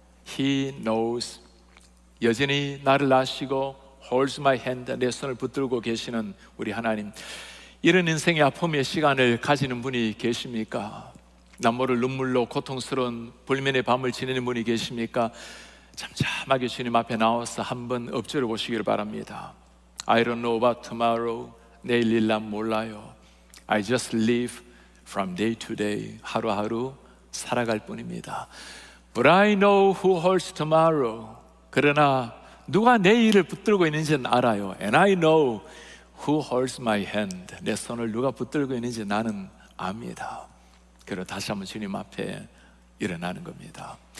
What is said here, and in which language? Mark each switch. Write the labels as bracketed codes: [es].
[en] He knows, [ko] 여전히 나를 아시고 [en] holds my hand, [ko] 내 손을 붙들고 계시는 우리 하나님. 이런 인생의 아픔의 시간을 가지는 분이 계십니까? 남모를 눈물로 고통스러운 불면의 밤을 지내는 분이 계십니까? 잠잠하게 주님 앞에 나와서 한번 엎드려 보시길 바랍니다. [en] I don't know about tomorrow, [ko] 내일 일 난 몰라요. [en] I just live from day to day, [ko] 하루하루 살아갈 뿐입니다. [en] But I know who holds tomorrow, [ko] 그러나 누가 내 일을 붙들고 있는지는 알아요. [en] And I know who holds my hand, [ko] 내 손을 누가 붙들고 있는지 나는 압니다. 그리고 다시 한번 주님 앞에 일어나는 겁니다.